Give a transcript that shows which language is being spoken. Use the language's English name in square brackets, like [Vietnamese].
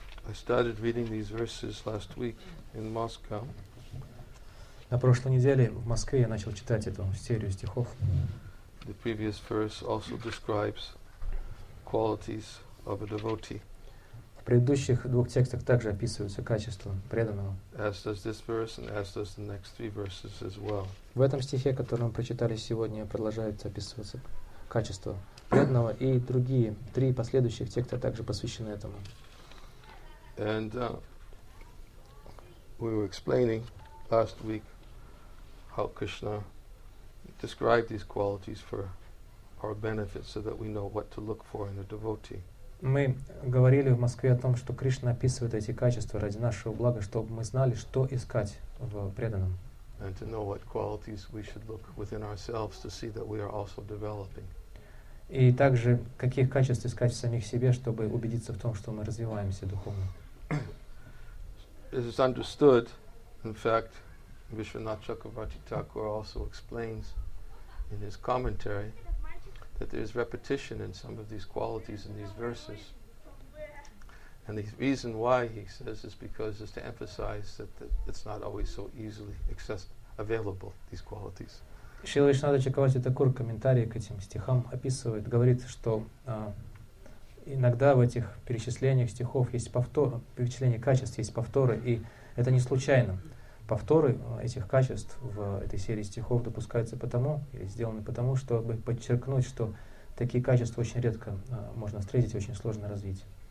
[English] I started reading these verses last week in Moscow. [Russian] На прошлой неделе в Москве я начал читать эту серию стихов. [English] The previous verse also describes qualities of a devotee. [Russian] В предыдущих двух текстах также описываются качества преданного. [English] As does this verse and as does the next three verses as well. [Russian] В этом стихе, который мы прочитали сегодня, продолжается описываться качество преданного, и другие три последующих текста также посвящены этому. [English] And we were explaining last week how Krishna described these qualities for our benefit, so that we know what to look for in a devotee. [Russian] Мы говорили в Москве о том, что Кришна описывает эти качества ради нашего блага, чтобы мы знали, что искать в преданном. [English] And to know what qualities we should look within ourselves to see that we are also developing. [Russian] И также каких качеств искать в самих себе, чтобы убедиться в том, что мы развиваемся духовно. [English] It is understood, in fact, Vishwanath Chakravarti Thakur also explains in his commentary that there is repetition in some of these qualities in these verses. And the reason why, he says, is because it's to emphasize that it's not always so easily available, these qualities. [Russian] Шрила Вишванатха Чакравати Такур в комментарии к этим стихам описывает, говорит, что иногда в этих перечислениях стихов есть повторы, перечисление качеств есть повторы, и это не случайно. Повторы этих качеств в этой серии стихов допускаются потому, или сделаны потому, чтобы подчеркнуть, что такие качества очень редко можно встретить и очень сложно развить.